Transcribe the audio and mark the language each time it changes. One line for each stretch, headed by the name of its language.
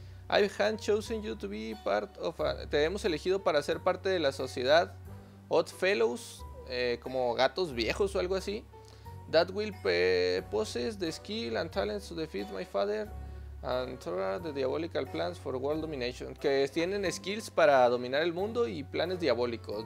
English: I've had chosen you to be part of a...
Spanish: Te hemos elegido para ser parte de la sociedad Odd Fellows, como gatos viejos o algo así.
English: That will possess the skill and talents to defeat my father and thwart the diabolical plans for world domination.
Spanish: Que tienen skills para dominar el mundo y planes diabólicos.